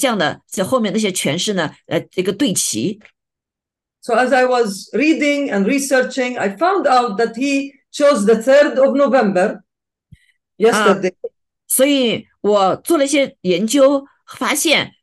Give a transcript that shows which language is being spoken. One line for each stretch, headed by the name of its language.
Chinese: 所以你会知道这个真主党的领袖发出这个话语，在为什么在那个时刻，他是实际上想跟这些拜偶像的这后面那些权势呢，这个对齐。
English: So as I was reading and researching, I found out that he chose the 3rd of November yesterday.
Chinese: 所以我做了一些研究，发现。